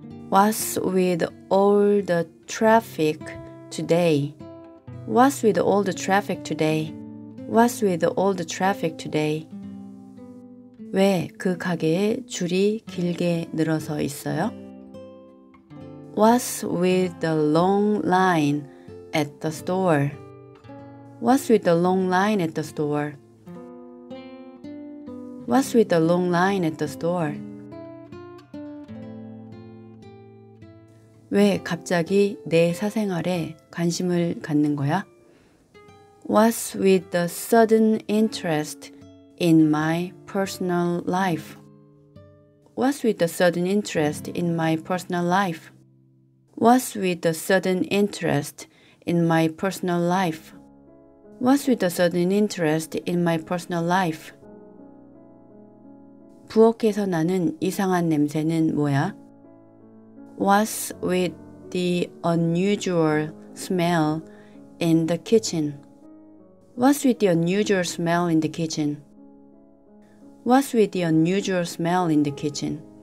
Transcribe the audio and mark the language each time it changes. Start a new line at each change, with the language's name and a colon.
English: What's with all the traffic today? What's with all the traffic today? What's with all the traffic today?
Korean: 왜 그 가게에 줄이 길게 늘어서 있어요?
English: What's with the long line at the store? What's with the long line at the store? What's with the long line at the store?
Korean: 왜 갑자기 내 사생활에 관심을 갖는 거야?
English: What's with the sudden interest in my personal life? What's with the sudden interest in my personal life? What's with the sudden interest in my personal life? What's with the sudden interest in my personal life?
Korean: 부엌에서 나는 이상한 냄새는 뭐야?
English: What's with the unusual smell in the kitchen? What's with the unusual smell in the kitchen? What's with the unusual smell in the kitchen?